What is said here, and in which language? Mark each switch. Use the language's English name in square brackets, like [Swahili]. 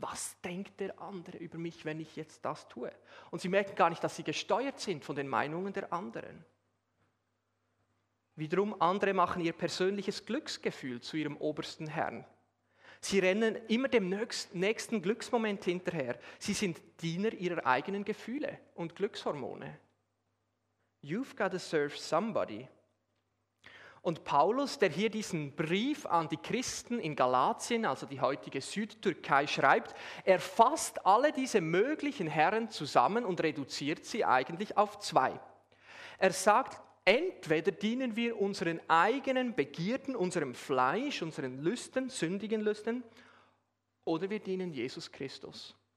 [German] Was denkt der andere über mich, wenn ich jetzt das tue? Und sie merken gar nicht, dass sie gesteuert sind von den Meinungen der anderen. Wiederum, andere machen ihr persönliches Glücksgefühl zu ihrem obersten Herrn. Sie rennen immer dem nächsten Glücksmoment hinterher. Sie sind Diener ihrer eigenen Gefühle und Glückshormone. [English] You've got to serve somebody. [German] Und Paulus, der hier diesen Brief an die Christen in Galatien, also die heutige Südtürkei, schreibt, er fasst alle diese möglichen Herren zusammen und reduziert sie eigentlich auf zwei. Er sagt, entweder dienen wir unseren eigenen Begierden, unserem Fleisch, unseren Lüsten, sündigen Lüsten, oder wir dienen Jesus Christus.